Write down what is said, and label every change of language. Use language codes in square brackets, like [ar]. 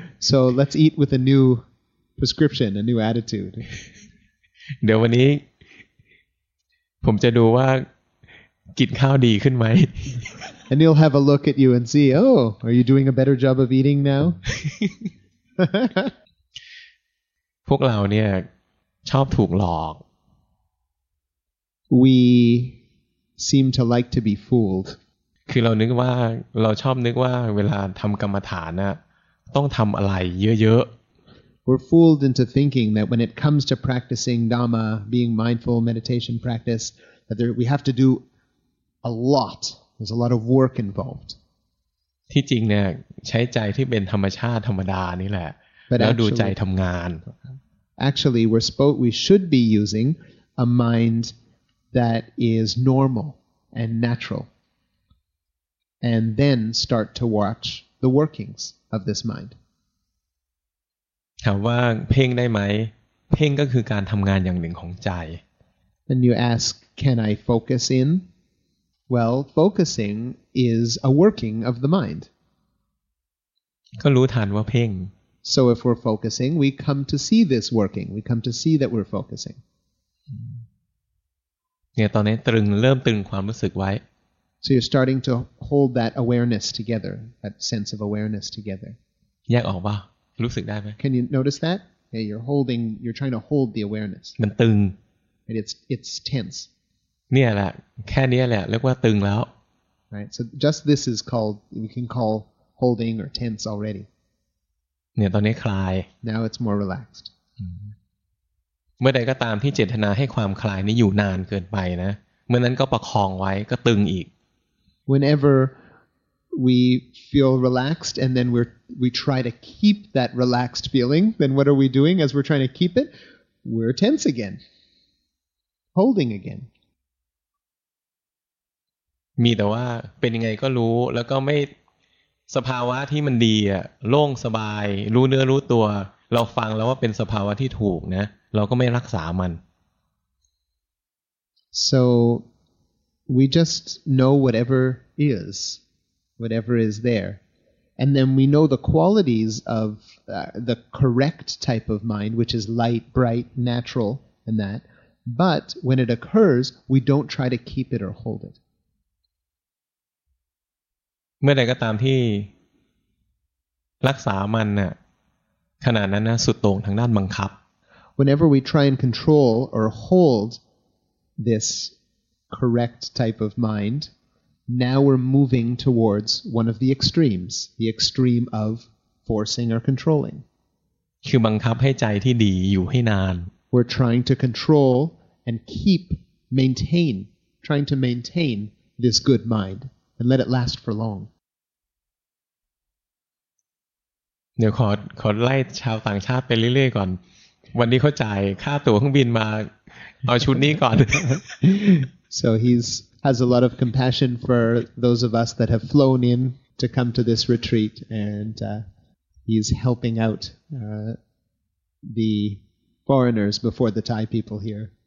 [en] So let's eat with a new prescription, a new attitude. [th] เดี๋ยววันนี้ผมจะดูว่ากินข้าวดีขึ้นไหม [en] And you'll have a look at you and see, oh, are you doing a better job of eating now? [th] พวกเราเนี่ยชอบถูกหลอก [en] We seem to like to be fooled. [th] คือเรานึกว่าเราชอบนึกว่าเวลาทำกรรมฐานน่ะต้องทำอะไรเยอะ [en] We're fooled into thinking that when it comes to practicing Dhamma, being mindful, meditation practice, that we have to do a lot. There's a lot of work involved. [th] ที่จริงเนี่ยใช้ใจที่เป็นธรรมชาติธรรมดานี่แหละแล้วดูใจทำงาน [en] Actually, we should be using a mind that is normal and natural. And then start to watch the workings of this mind. [th] ถามว่าเพ่งได้ไหมเพ่งก็คือการทำงานอย่างหนึ่งของใจ [en] And you ask, can I focus in? Well, focusing is a working of the mind. [th] ก็รู้ทันว่าเพ่ง [en] So if we're focusing, we come to see this working. We come to see that we're focusing. [th] เนี่ยตอนนี้ตรึงเริ่มตรึงความรู้สึกไว้ [en] So you're starting to hold that awareness together, that sense of awareness together. [th] แยกออกป่ะรู้สึกได้ไหม [en] Can you notice that? Yeah, you're holding, you're trying to hold the awareness. [th] มันตึง [en] And it's tense. [th] เนี่ยแหละแค่นี้แหละเรียกว่าตึงแล้ว [en] Right, so just this is called, we can call holding or tense already. [th] เนี่ยตอนนี้คลาย [en] Now it's more relaxed. [th] เมื่อใดก็ตามที่เจตนาให้ความคลายนี้อยู่นานเกินไปนะเมื่อนั้นก็ประคองไว้ก็ตึงอีก [en] Whenever... we feel relaxed and then we try to keep that relaxed feeling then what are we doing as we're trying to keep it we're tense again holding again [th] มีแต่ว่าเป็นยังไงก็รู้แล้วก็ไม่สภาวะที่มันดีอ่ะโล่งสบายรู้เนื้อรู้ตัวเราฟังแล้วว่าเป็นสภาวะที่ถูกนะเราก็ไม่รักษามัน [en] so we just know whatever isWhatever is there. And then we know the qualities of the correct type of mind, which is light, bright, natural, and that. But when it occurs, we don't try to keep it or hold it. [th] เมื่อใดก็ตามที่รักษามันน่ะ ขณะนั้นนะสุดโต่งทางด้านบังคับ [en] whenever we try and control or hold this correct type of mind now we're moving towards one of the extreme of forcing or controlling [th] คือบังคับให้ใจที่ดีอยู่ให้นาน [en] we're trying to control and keep maintain trying to maintain this good mind and let it last for long [th] เดี๋ยวขอไล่ชาวต่างชาติไปเรื่อยๆก่อนวันนี้เขาจ่ายค่าตั๋วเครื่องบินมาเอาชุดนี้ก่อน [en] So he's has a lot of compassion for those of us that have flown in to come to this retreat and he's helping out the foreigners before the Thai people here